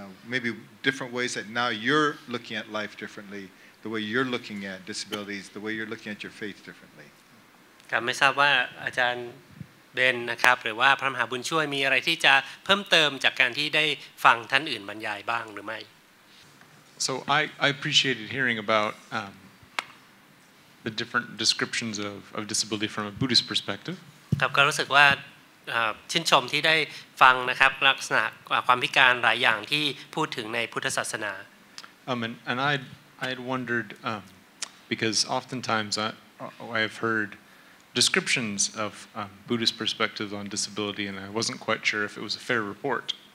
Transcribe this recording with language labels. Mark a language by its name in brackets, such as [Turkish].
[English] Maybe different ways that now you're looking at life differently, the way you're looking at disabilities, the way you're looking at your faith differently. [Thai] ครับไม่ทราบว่าอาจารย์เบนนะครับหรือว่าพระมหาบุญช่วยมีอะไรที่จะเพิ่มเติมจากการที่ได้ฟังท่านอื่นบรรยายบ้างหรือไม่ [English] So I appreciated hearing about the different descriptions of disability from a Buddhist perspective. [Thai] ครับก็รู้สึกว่าชื่นชมที่ได้ฟังนะครับลักษณะความพิการหลายอย่างที่พูดถึงในพุทธศาสนา [English] and I had wondered because oftentimes I have heard descriptions of Buddhist perspectives on disability and I wasn't quite sure if it was a fair report